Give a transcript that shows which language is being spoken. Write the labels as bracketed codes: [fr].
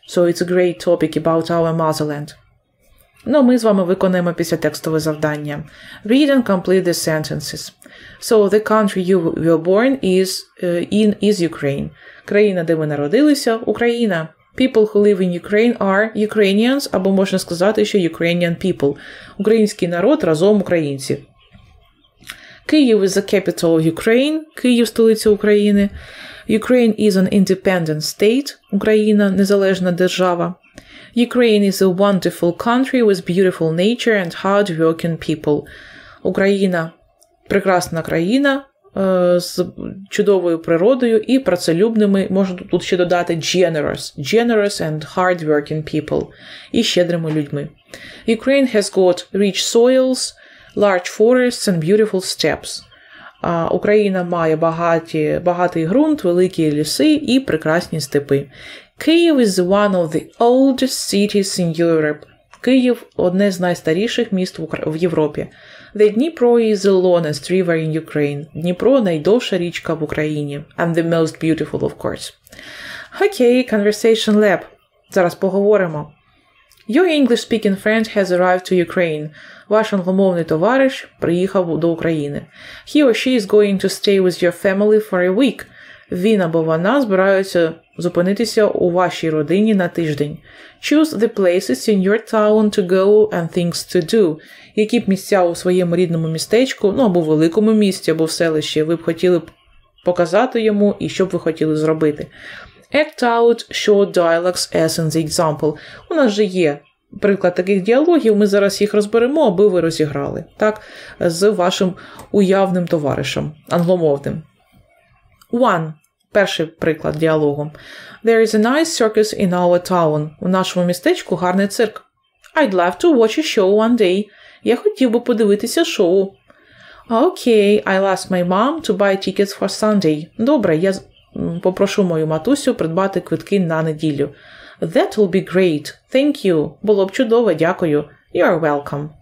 [en] So it's a great topic about our motherland. [uk] Ну, ми з вами виконуємо після текстове завдання. [en] Read and complete the sentences. So, the country you were born is in is Ukraine. [uk] Країна, де ви народилися, Україна. [en] People who live in Ukraine are Ukrainians, [uk] або можна сказати, що [en] Ukrainian people. [uk] Український народ разом українці. [en] Київ is the capital of Ukraine. [uk] Київ – столиця України. [en] Ukraine is an independent state. [uk] Україна – незалежна держава. [en] Ukraine is a wonderful country with beautiful nature and hard-working people. [uk] Україна – прекрасна країна з чудовою природою і працелюбними, можна тут ще додати, generous [en] and hard-working people, [uk] і щедрими людьми. [en] Ukraine has got rich soils, large forests and beautiful steppes. [uk] Україна має багатий ґрунт, великі ліси і прекрасні степи. [en] Київ is one of the oldest cities in Europe. [uk] Київ – одне з найстаріших міст в Європі. [en] The Dnipro is the longest river in Ukraine. [uk] Дніпро – найдовша річка в Україні. [en] And the most beautiful, of course. Okay, conversation lab. [uk] Зараз поговоримо. [en] Your English-speaking friend has arrived to Ukraine. [uk] Ваш англомовний товариш приїхав до України. [en] He or she is going to stay with your family for a week. [uk] Він або вона збираються зупинитися у вашій родині на тиждень. [en] Choose the places in your town to go and things to do. [uk] Які б місця у своєму рідному містечку, ну або великому місті, або в селищі, ви б хотіли б показати йому і що б ви хотіли зробити. [en] Act out short dialogues as in the example. [uk] У нас же є приклад таких діалогів, ми зараз їх розберемо, аби ви розіграли. Так, з вашим уявним товаришем англомовним. [en] One. [uk] перший приклад діалогу. [en] There is a nice circus in our town. [uk] У нашому містечку гарний цирк. [en] I'd love to watch a show one day. [uk] Я хотів би подивитися шоу. [en] Okay, I'll ask my mom to buy tickets for Sunday. [uk] Добре, я попрошу мою матусю придбати квитки на неділю. [en] That will be great. Thank you. [uk] Було б чудово, дякую. [en] You are welcome.